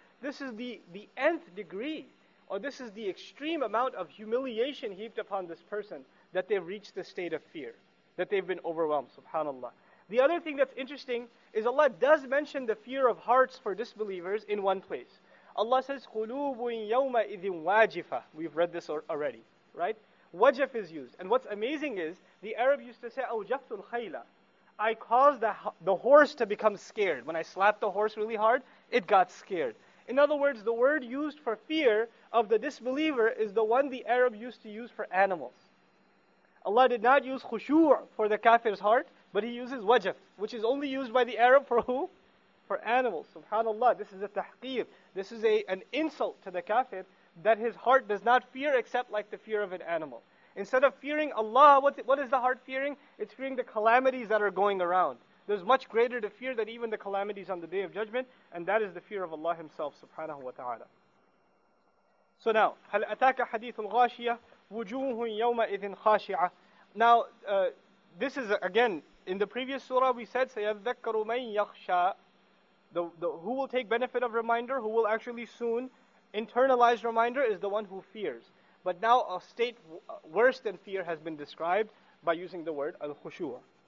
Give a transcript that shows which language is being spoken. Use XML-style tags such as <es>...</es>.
<en>This is the nth degree, or this is the extreme amount of humiliation heaped upon this person, that they've reached the state of fear, that they've been overwhelmed, subhanAllah. The other thing that's interesting is Allah does mention the fear of hearts for disbelievers in one place. Allah says,</en> <ar>قُلُوبٌ يَوْمَئِذٍ وَاجِفَةٌ.</ar> <en>We've read this already, right? Wajif is used. And what's amazing is, the Arab used to say,</en> <ar>أَوْجَفْتُ الْخَيْلَ.</ar> <en>I caused the horse to become scared. When I slapped the horse really hard, it got scared. In other words, the word used for fear of the disbeliever is the one the Arab used to use for animals. Allah did not use khushu' for the kafir's heart, but He uses wajf, which is only used by the Arab for who? For animals. SubhanAllah, this is a tahqeer. This is an insult to the kafir that his heart does not fear except like the fear of an animal. Instead of fearing Allah, what is the heart fearing? It's fearing the calamities that are going around. there's much greater to fear than even the calamities on the Day of Judgment, and that is the fear of Allah Himself, subhanahu wa ta'ala. So now,</en> <ar>هَلْ أَتَاكَ حَدِيثُ الْغَاشِيَةِ وُجُوهٌ يَوْمَئِذٍ خَاشِعَةٍ.</ar> <en>Now, this is again, in the previous surah we said,</en> <ar>سَيَذَّكَّرُ مَنْ يَخْشَى.</ar> <en>Who will take benefit of reminder, who will actually soon internalize reminder, is the one who fears. But now a state worse than fear has been described by using the word al-khushu'.</en>